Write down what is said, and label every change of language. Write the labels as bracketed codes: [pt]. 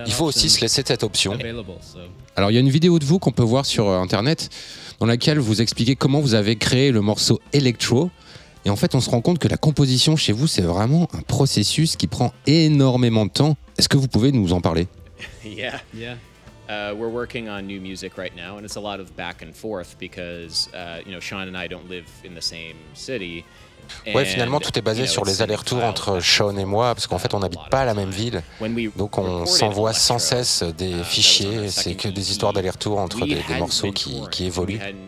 [fr] Il faut aussi se laisser cette option. Alors, il y a une vidéo de vous qu'on peut voir sur Internet, dans laquelle vous expliquez comment vous avez créé le morceau Electro. Et en fait, on se rend compte que la composition chez vous, c'est vraiment un processus qui prend énormément de temps. Est-ce que vous pouvez nous en parler ? [en] Yeah. Yeah. We're working on new music right now and it's a lot of back and forth because you know, Sean and I don't live in the same city. [fr] Ouais, finalement, tout est basé sur les allers-retours entre Sean et moi, parce qu'en fait, on n'habite pas la même ville. Donc, on s'envoie sans cesse des fichiers. C'est que des histoires d'allers-retours entre des morceaux qui évoluent.